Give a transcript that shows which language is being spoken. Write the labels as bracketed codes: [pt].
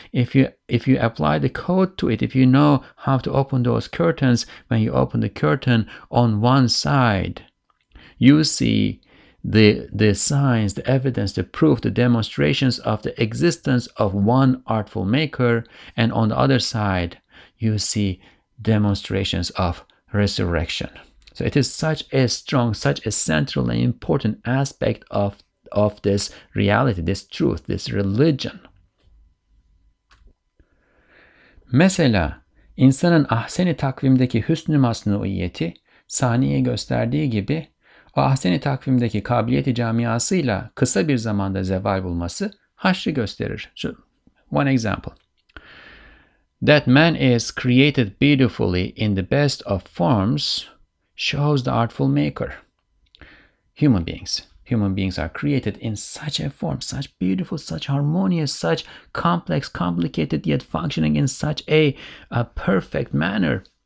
[en] If you apply the code to it, if you know how to open those curtains, when you open the curtain on one side, you see the signs, the evidence, the proof, the demonstrations of the existence of one artful maker. And on the other side, you see demonstrations of resurrection. So it is such a strong, such a central and important aspect of this reality, this truth, this religion. [tr] Mesela, insanın ahsen-i takvimdeki hüsn-i masnuiyeti, saniye gösterdiği gibi, Bahseni takvimdeki kabiliyeti camiasıyla kısa bir zamanda zeval bulması haşrı gösterir. [en] So, one example. That man is created beautifully in the best of forms shows the artful maker. Human beings. Human beings are created in such a form, such beautiful, such harmonious, such complex, complicated, yet functioning in such a perfect manner.